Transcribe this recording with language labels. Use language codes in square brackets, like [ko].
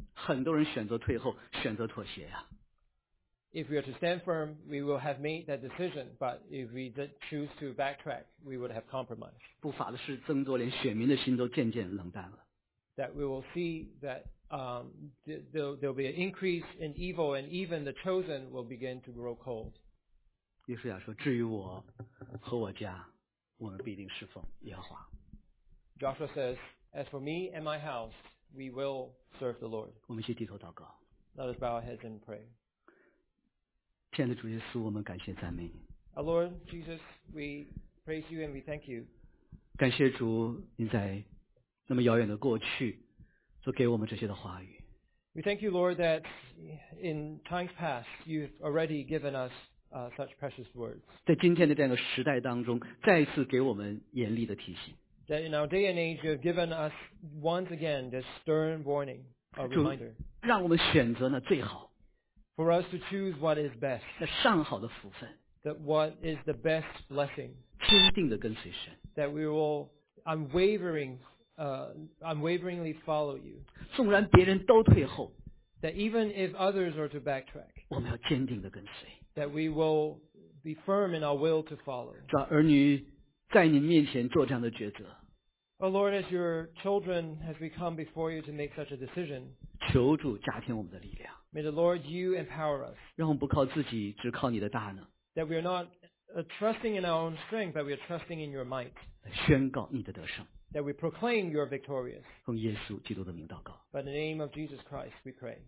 [zh] 很多人选择退后，选择妥协呀。 [en] If we are to stand firm, we will have made that decision, but if we choose to backtrack, we would have compromised. [zh] 不法的事增多，连选民的心都渐渐冷淡了。 [en] That we will see that there will be an increase in evil and even the chosen will begin to grow cold. [zh] 约书亚说：“至于我和我家，我们必定侍奉耶和华。” [en] Joshua says, "As for me and my house, we will serve the Lord." [zh] 我们一起低头祷告。 [en] Let us bow our heads and pray. [zh] 亲爱的主耶稣，我们感谢赞美你。 [en] Our Lord Jesus, we praise you and we thank you. [zh] 感谢主，您在那么遥远的过去，所给我们这些的话语。 [en] We thank you, Lord, that in times past you've already given us. Such precious words. [zh] 在今天的这样的时代当中，再次给我们严厉的提醒。 [en] That in our day and age, you have given us once again this stern warning, a reminder. [zh] 让我们选择那最好。 [en] For us to choose what is best. [zh] 那上好的福分。 [en] That what is the best blessing. [zh] 坚定的跟随神。 [en] That we will unwaveringly follow you. [zh] 纵然别人都退后。 [en] That even if others are to backtrack. [zh] 我们要坚定的跟随。 [en] That we will be firm in our will to follow. [zh] 儿女在您面前做这样的抉择。 [en] Oh Lord, as your children, as we come before you to make such a decision, [zh] 求主加添我们的力量。 [en] May the Lord you empower us. [zh] 让我们不靠自己，只靠你的大能。 [en] That we are not trusting in our own strength, but we are trusting in your might. [zh] 宣告你的得胜。 [en] That we proclaim you are victorious. [zh] 奉耶稣基督的名祷告。 [en] By the name of Jesus Christ, we pray.